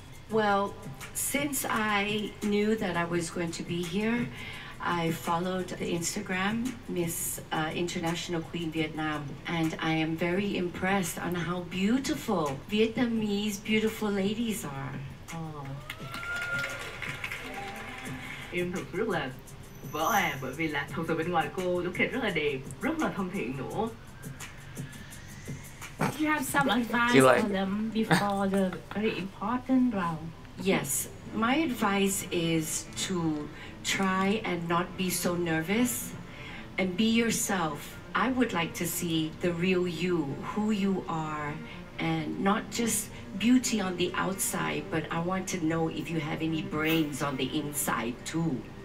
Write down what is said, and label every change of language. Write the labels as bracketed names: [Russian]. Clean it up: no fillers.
[English] Well, since I knew that I was going to be here, I followed the Instagram, Miss International Queen Vietnam, and I am very impressed on how beautiful Vietnamese beautiful ladies are. Oh. [Vietnamese] Em thật rất là vỡ à, bởi vì là thật sự bên ngoài cô đúng thiệt rất là đẹp, rất là thân thiện nữa. [English] Do you have some advice for them before the very important round? Yes, my advice is to try and not be so nervous and be yourself. I would like to see the real you, who you are, and not just beauty on the outside, but I want to know if you have any brains on the inside too.